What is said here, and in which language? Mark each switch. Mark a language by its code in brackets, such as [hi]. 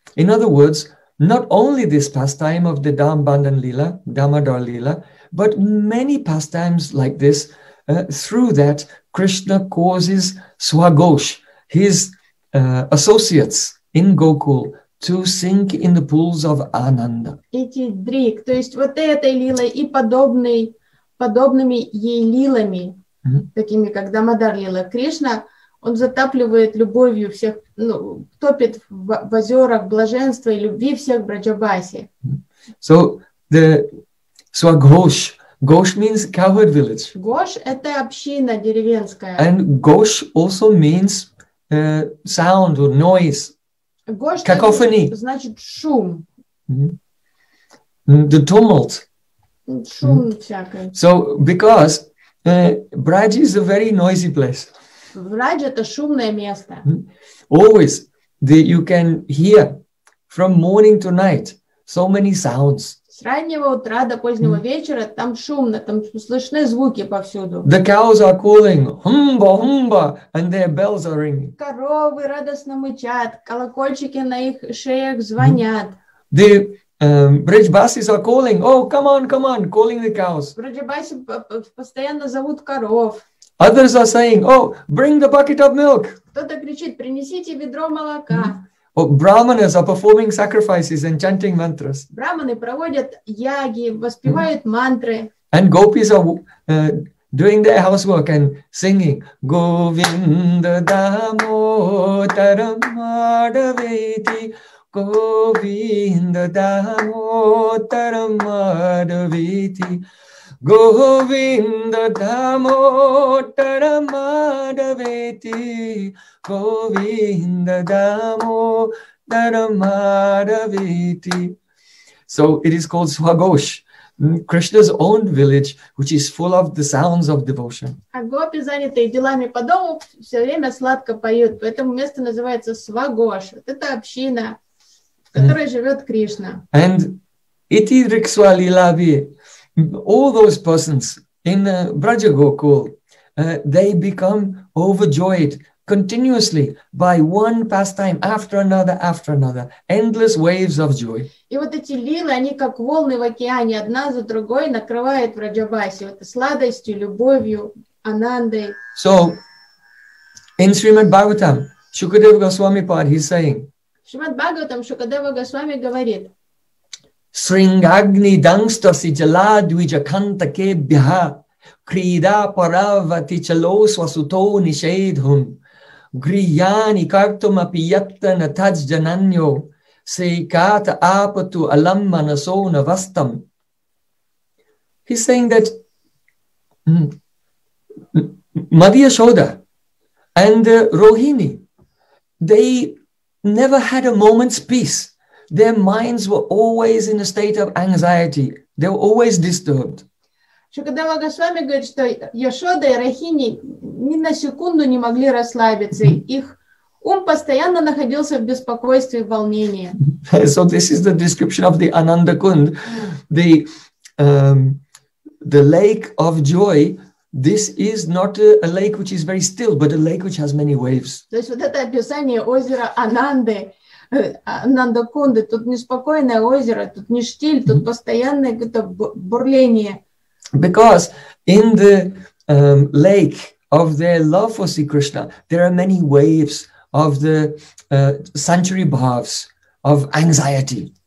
[en] In other words, not only this pastime of the Dambandan Lila, Damodar Lila, but many pastimes like this, through that Krishna causes Swagosh, his associates in Gokul, to sink in the pools of Ananda. [ru] Эти дрик, то есть вот этой лилой и подобными ей лилами, такими как Дамодар Лила, Кришна Он затапливает любовью всех, ну, топит в озерах блаженства и любви всех Браджабаси. [en] So the so Ghosh. Ghosh means cowherd village. [ru] Ghosh – это община деревенская. [en] And Ghosh also means sound or noise. [ru] Ghosh – [en] cacophony. [ru] Значит шум. Mm-hmm. [en] The tumult. [ru] Шум mm-hmm. всякое. [en] So because Braj is a very noisy place. [ru] Braj – это шумное место. [en] Always you can hear from morning to night so many sounds. [ru] С раннего утра до позднего вечера там шумно, там слышны звуки повсюду. [en] The cows are calling, humba, humba, and their bells are ringing. [ru] Коровы радостно мычат, колокольчики на их шеях звонят. [en] The Brajbasis are calling, oh, come on, come on, calling the cows. [ru] Брайджабаси постоянно зовут коров. [en] Others are saying, oh, bring the bucket of milk. [ru] Кто-то кричит, принесите ведро молока. [en] Oh, brahmanas are performing sacrifices and chanting mantras. [ru] Брахманы проводят яги, воспевают мантры. [en] And gopis are doing their housework and singing [sa] Govinda Damodaram Madhaveti, Govinda Damodaram Madhaveti, [en] Govinda Damodaram Madhaveti, Govinda Damodaram Madhaveti. So it is called Swagosh, Krishna's own village, which is full of the sounds of devotion. [ru] А гопи, занятые делами по дому, все время сладко поют. Поэтому место называется Свагош. Это община, в которой живет Кришна. [sa] And iti riksva lilavi. [en] All those persons in Braja Gokul, they become overjoyed continuously by one pastime after another, endless waves of joy. [ru] И вот эти лилы, они как волны в океане, одна за другой накрывает Враджабаси вот, сладостью, любовью, анандой. [en] So, in Srimad Bhagavatam, Shukadeva Goswami Pad, he's saying, [ru] Srimad Bhagavatam, Shukadeva Goswami говорит, [sa] Sringagni dangstasi jala dvijakanta kebhya krida paravati chalo swasuto nishedhum griyani kartum apiyatana taj jananyo seikata apatu alamma naso navastam. [en] He's saying that Madhya Shoda and Rohini, they never had a moment's peace. Their minds were always in a state of anxiety. They were always disturbed. [ru] Шукадева Госвами говорит, что Яшода и Рахини ни на секунду не могли расслабиться. Их ум постоянно находился в беспокойстве и волнении. [en] So this is the description of the Ananda Kund, the lake of joy. This is not a lake which is very still, but a lake which has many waves. [ru] То есть вот это описание озера Ананды. Ананда Кунда, тут неспокойное озеро, тут не штиль, тут постоянное какое-то бурление. [en] Because in the lake of their love for Sri Krishna, there are many waves of the sanctuary bhavs of anxiety.